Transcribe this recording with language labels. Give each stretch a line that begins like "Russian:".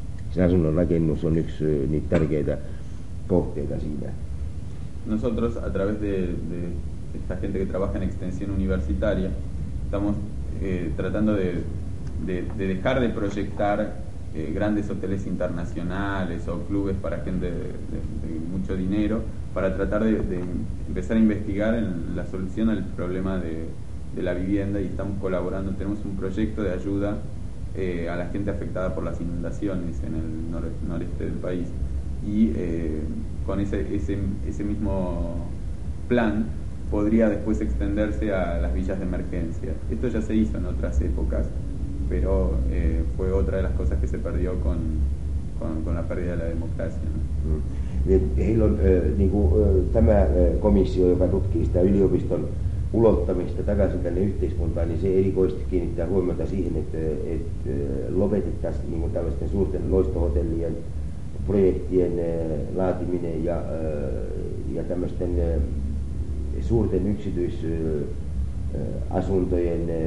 Finnish: Sen asunnon rakennus on yksi niitä tärkeitä kohteita siinä.
Spanish: Nosotros a través de esta gente que trabaja en extensión universitaria estamos tratando de dejar de proyectar grandes hoteles internacionales o clubes para gente de mucho dinero, para tratar de empezar a investigar en la solución al problema de la vivienda, y estamos colaborando, tenemos un proyecto de ayuda a la gente afectada por las inundaciones en el noreste del país, y con ese mismo plan podría después extenderse a las villas de emergencia. Esto ya se hizo en otras épocas, pero fue otra de las cosas que se perdió con la pérdida de la democracia.
Finnish: Heillä on niin kuin, tämä komissio, joka tutkii sitä yliopiston ulottamista takaisin tänne yhteiskuntaan, niin se erikoisesti kiinnittää huomiota siihen, että lopetettaisiin niin kuin tällaisten suurten loistohotellien projektien laatiminen ja tämmöisten suurten yksityisasuntojen